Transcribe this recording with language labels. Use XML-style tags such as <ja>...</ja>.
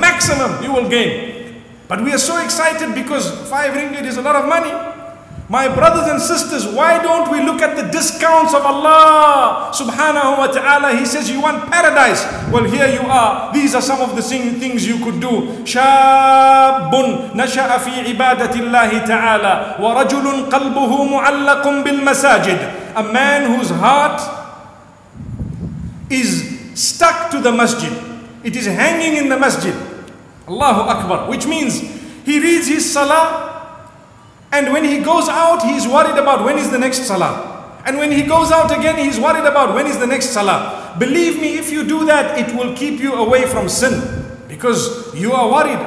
<en>Maximum you will gain. But we are so excited because 5 ringgit is a lot of money. My brothers and sisters, why don't we look at the discounts of Allah subhanahu wa ta'ala? He says, you want paradise? Well, here you are. These are some of the things you could do.</en> <ar>شَابٌ نَشَأَ فِي عِبَادَةِ اللَّهِ تَعَالَى وَرَجُلٌ قَلْبُهُ مُعَلَّقٌ بِالْمَسَاجِدِ</ar> <en>A man whose heart is stuck to the masjid. It is hanging in the masjid. Allahu Akbar. Which means he reads his salah and when he goes out, he is worried about when is the next salah. And when he goes out again, he is worried about when is the next salah. Believe me, if you do that, it will keep you away from sin. Because you are worried.</en>